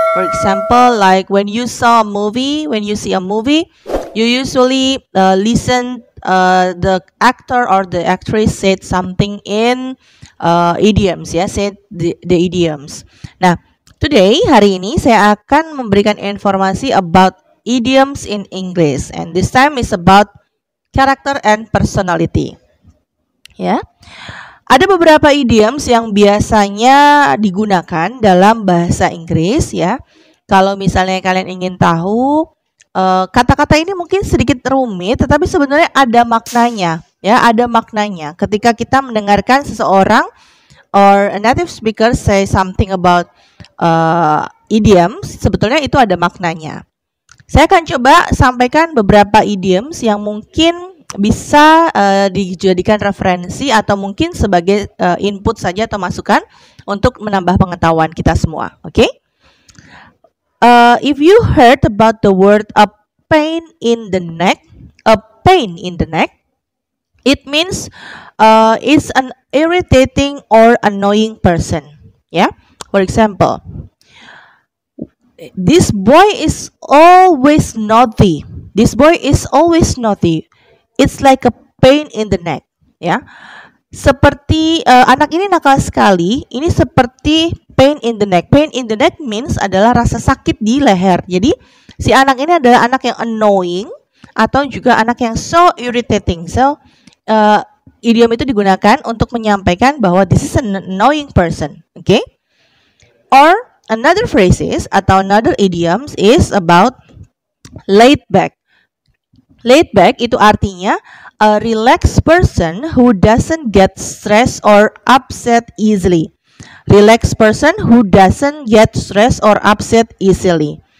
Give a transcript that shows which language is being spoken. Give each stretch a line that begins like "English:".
English: For example, like when you saw a movie, when you see a movie, you usually listen the actor or the actress said something in idioms, ya, said the idioms.
Indonesian: Nah,
English: today,
Indonesian: hari ini, saya akan memberikan informasi
English: about idioms in English. And this time is about character and personality.
Indonesian: Ya. Ada beberapa idioms yang biasanya digunakan dalam bahasa Inggris ya. Kalau misalnya kalian ingin tahu, kata-kata ini mungkin sedikit rumit, tetapi sebenarnya ada maknanya. Ya, ada maknanya. Ketika kita mendengarkan seseorang
English: or a native speaker say something about idioms,
Indonesian: sebetulnya itu ada maknanya. Saya akan coba sampaikan beberapa idioms yang mungkin bisa dijadikan referensi atau mungkin sebagai input saja atau masukan untuk menambah pengetahuan kita semua, oke?
English: If you heard about the word a pain in the neck, a pain in the neck, it means is an irritating or annoying person, ya? Yeah? For example, this boy is always naughty. This boy is always naughty. It's like a pain in the neck, ya.
Indonesian: Seperti anak ini nakal sekali, ini seperti pain in the neck.
English: Pain in the neck means
Indonesian: adalah rasa sakit di leher. Jadi, si anak ini adalah anak yang annoying atau juga anak yang
English: so irritating.
Indonesian: So, idiom itu digunakan untuk menyampaikan bahwa
English: this is an annoying person,
Indonesian: oke?
English: Okay? Or another phrases atau another idioms is about laid back. Laid back
Indonesian: itu artinya
English: a relaxed person who doesn't get stressed or upset easily. Relaxed person who doesn't get stressed or upset easily.